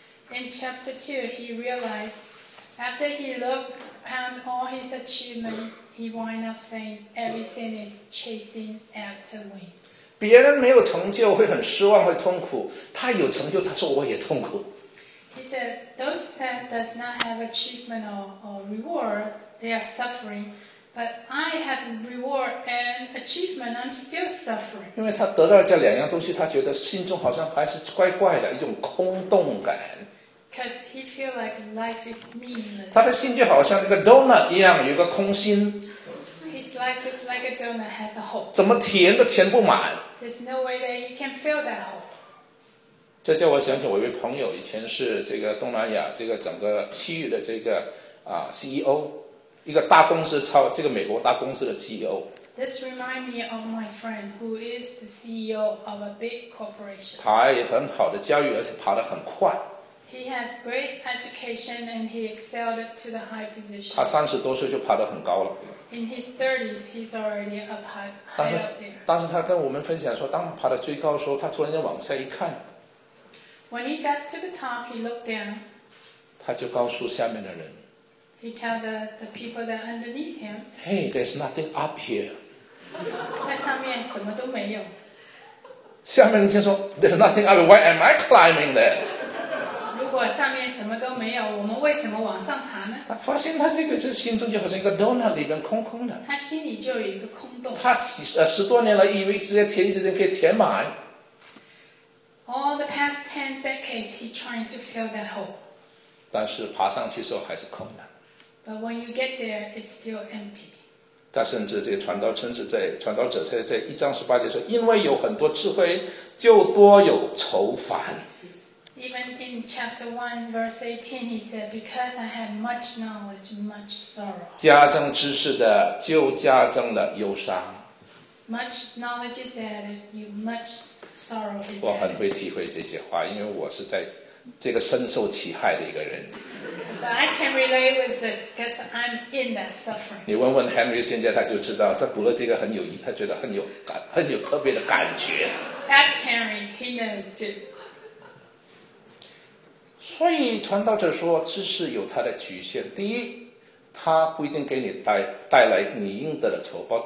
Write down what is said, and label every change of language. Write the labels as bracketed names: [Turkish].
[English] In chapter 2, he realized, after he looked. And all his achievement, he wind up saying, everything is chasing after wind. [Chinese] 别人没有成就会很失望，会痛苦。他有成就，他说我也痛苦。 [English] He said, those that does not have achievement or reward, they are suffering. But I have reward and achievement, I'm still suffering. [Chinese] 因为他得到这两样东西，他觉得心中好像还是怪怪的，一种空洞感。 [English] Because he feel like life is meaningless. [Chinese] 他的心就好像一个 donut 一样，有个空心。 [English] His life is like a donut, has a hole. [Chinese] 怎么填都填不满。 [English] There's no way that you can fill that hole. [Chinese] 这叫我想起我一位朋友，以前是这个东南亚这个整个区域的这个CEO, 一个大公司超这个美国大公司的 CEO. [English] This remind me of my friend who is the CEO of a big corporation. [Chinese] 他也很好的教育，而且爬得很快。 [English] He has great education and he excelled to the high position. [Chinese] 他三十多岁就爬得很高了。 [English] In his 30s, he's already up high up there. [Chinese] 但是他跟我们分享说，当爬到最高的时候，他突然间往下一看。 [English] When he got to the top, he looked down. [Chinese] 他就告诉下面的人。 He told the people that underneath him. [English] Hey, there's nothing up here. [Chinese] 在上面什么都没有。下面人听说 [English] there's nothing up here. Why am I climbing there? [Chinese] 如果上面什么都没有，我们为什么往上爬呢？他发现他这个这心中就好像一个 donut 里边空空的。他心里就有一个空洞。他十多年来以为直接填一直接可以填满。 [English] All the past 10 decades, he trying to fill that hole. [Chinese] 但是爬上去的时候还是空的。 [English] But when you get there, it's still empty. [Chinese] 他甚至这个传道者在一章十八节说，因为有很多智慧，就多有愁烦。 [English] Even in chapter 1, verse 18, he said, because I have much knowledge, much sorrow. [Chinese] 加增知识的就加增了忧伤。 [English] much knowledge is added, you much sorrow is added. [Chinese] 我很会体会这些话，因为我是在这个深受其害的一个人。 [English] So I can relate with this because I'm in that suffering. [Chinese] 你问问 Henry 现在他就知道，在读了这个很有意，他觉得很有感，很有特别的感觉。 [English] Ask Henry, he knows too. [Chinese] 所以传道者说，知识有它的局限。第一，它不一定给你带来你应得的酬报。